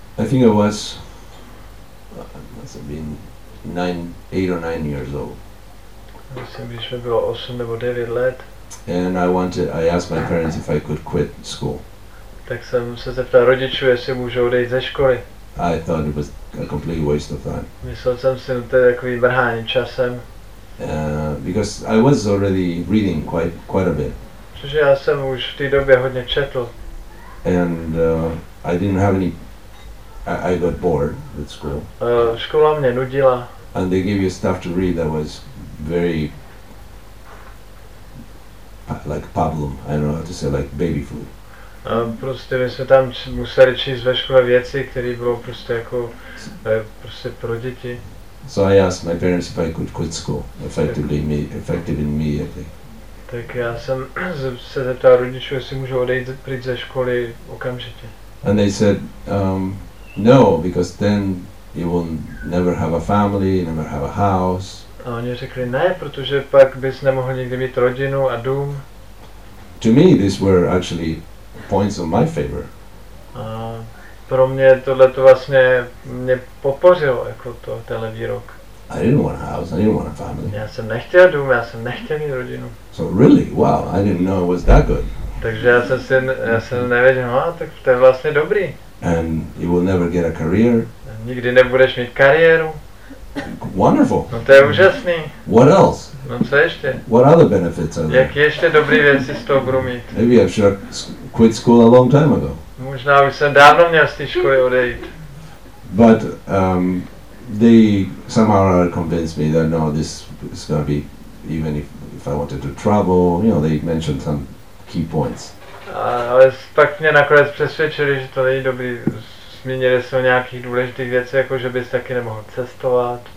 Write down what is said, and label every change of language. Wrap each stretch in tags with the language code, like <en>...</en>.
<en>I think I was, must have been 8 or 9 years old.</en> <cs>Myslím, když mi bylo 8 nebo 9 let.</cs> <en>And I asked my parents if I could quit school.</en> <cs>Tak jsem se zeptal rodičů, jestli můžu odejít ze školy.</cs> <en>I thought it was a complete waste of time.</en> <cs>Myslel jsem si, že to je takový mrhání časem.</cs> <en>Because I was already reading quite a bit.</en> <cs>Protože já jsem už v té době hodně četl.</cs> <en>And I didn't have any. I got bored with school.</en> <cs>Škola mě nudila.</cs> <en>And they gave you stuff to read that was very like pablum. I don't know how to say, like baby food.</en> <cs>Prostě my jsme tam museli číst ve škole věci, které bylo prostě jako prostě pro děti.</cs> <en>So I asked my parents if I could quit school effectively immediately.</en> <cs>Tak já jsem se zeptal rodičů, jestli můžu odejít pryč ze školy okamžitě.</cs> <en>And they said, no, because then you will never have a family, never have a house.</en> <cs>A oni řekli ne, protože pak bys nemohl nikdy mít rodinu a dům.</cs> <en>To me, these were actually points of my favor.</en> <cs>A pro mě tohle to vlastně mě popořilo, jako to, tenhle výrok.</cs> <en>I didn't want a house, I didn't want a family.</en> <cs>Já jsem nechtěl dům, já jsem nechtěl mít rodinu.</cs> <en>So really, wow, I didn't know it was that good.</en> <cs>Takže já jsem nevěděl, no, tak to je vlastně dobrý.</cs> <en>And you will never get a career.</en> <cs>Nikdy nebudeš mít kariéru.</cs> <en>Wonderful.</en> <cs>No to je úžasný.</cs> <en>What else?</en> <cs>No co ještě?</cs> <en>What other benefits are there?</en> <cs>Jaké ještě dobré věci z toho budu mít?</cs> <en>Maybe I should have quit school a long time ago.</en> <cs>Možná už jsem dávno měl z té školy odejít.</cs> <en>But they somehow or other convinced me that no, this is going to be, even if I wanted to travel, you know, they mentioned some key points.</en> <cs>Ale pak mě nakonec přesvědčili, že to není dobrý. Zmínili jsou nějakých důležitých věcí, jako že bys taky nemohl cestovat.</cs>